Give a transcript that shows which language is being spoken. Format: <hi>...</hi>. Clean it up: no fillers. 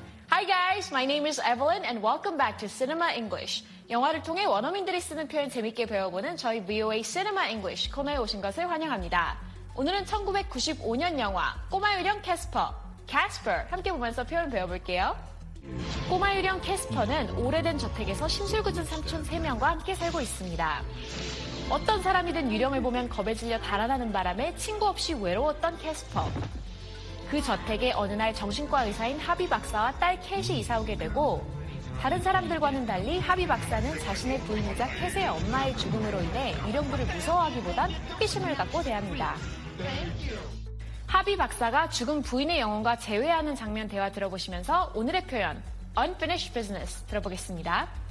<en>Hi guys, my name is Evelyn and welcome back to Cinema English.</en> <ko>영화를 통해 원어민들이 쓰는 표현 재밌게 배워보는 저희 VOA Cinema English 코너에 오신 것을 환영합니다. 오늘은 1995년 영화 꼬마 유령 캐스퍼, Casper 함께 보면서 표현 배워볼게요. 꼬마 유령 캐스퍼는 오래된 저택에서 신술궂은 삼촌 3명과 함께 살고 있습니다. 어떤 사람이든 유령을 보면 겁에 질려 달아나는 바람에 친구 없이 외로웠던 캐스퍼. 그 저택에 어느 날 정신과 의사인 하비 박사와 딸 캣이 이사오게 되고, 다른 사람들과는 달리 하비 박사는 자신의 부인이자 캣의 엄마의 죽음으로 인해 유령부를 무서워하기보단 호기심을 갖고 대합니다. 하비 박사가 죽은 부인의 영혼과 재회하는 장면 대화 들어보시면서 오늘의 표현 Unfinished Business 들어보겠습니다.</ko>